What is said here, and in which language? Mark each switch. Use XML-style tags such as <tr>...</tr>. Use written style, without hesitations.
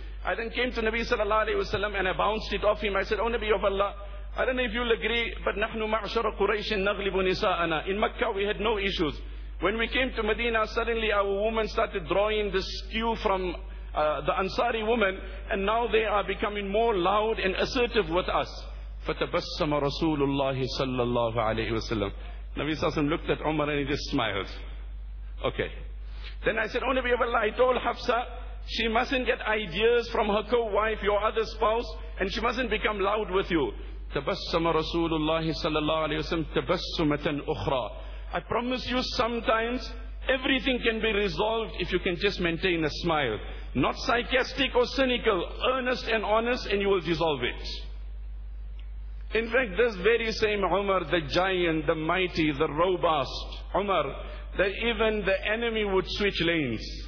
<en>I then came to Nabi sallallahu alayhi wa sallam and I bounced it off him. I said, O Nabi of Allah, I don't know if you'll agree, but</en> <ar>نحن معشر قريش نغلب نساءنا.</ar> <en>In Mecca, we had no issues. When we came to Medina, suddenly our women started drawing the skew from the Ansari women, and now they are becoming more loud and assertive with us.</en> <ar>فتبسم رسول الله صلى الله عليه وسلم.</ar> <en>Nabi Sassim looked at Umar and he just smiled. Okay. Then I said, O Nabi of Allah, I told Hafsa, she mustn't get ideas from her co-wife, your other spouse, and she mustn't become loud with you.</en> <ar>تبسم رسول الله صلى الله عليه وسلم تبسمة أخرى.</ar> <en>I promise you, sometimes everything can be resolved if you can just maintain a smile. Not sarcastic or cynical, earnest and honest, and you will dissolve it. In fact, this very same Umar, the giant, the mighty, the robust Umar, that even the enemy would switch lanes.</en>